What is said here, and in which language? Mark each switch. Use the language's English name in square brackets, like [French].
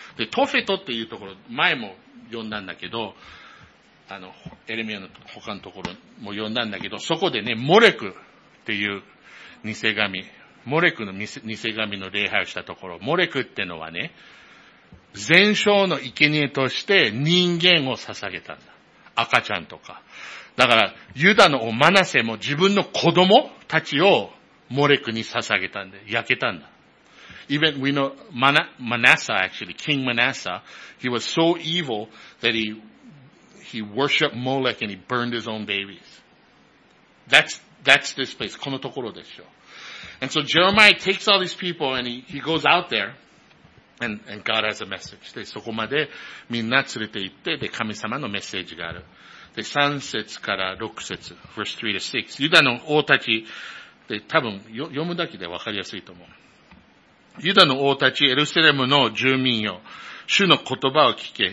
[Japanese] で、トフェトっていうところ、前も読んだんだけど、あの、エレミアの他のところも読んだんだけど、そこでね、モレクっていう偽神、モレクの偽神の礼拝をしたところ、モレクってのはね、全焼の生贄として人間を捧げたんだ。赤ちゃんとか。だから、ユダのマナセも自分の子供たちをモレクに捧げたんで、焼けたんだ。 [English] Even we know, Manasseh actually, King Manasseh, he was so evil that he worshipped Molech and he burned his own babies. That's this place, [Japanese] このところでしょ。 [English] And so Jeremiah takes all these people and he goes out there. And God has a message. [Japanese] で、そこまでみんな連れて行って、で、神様のメッセージがある。で、3節から6節。 [English] Verse 3 to 6. [Japanese] ユダの王たち、で、多分読むだけでわかりやすいと思う。ユダの王たち、エルサレムの住民よ。主の言葉を聞け。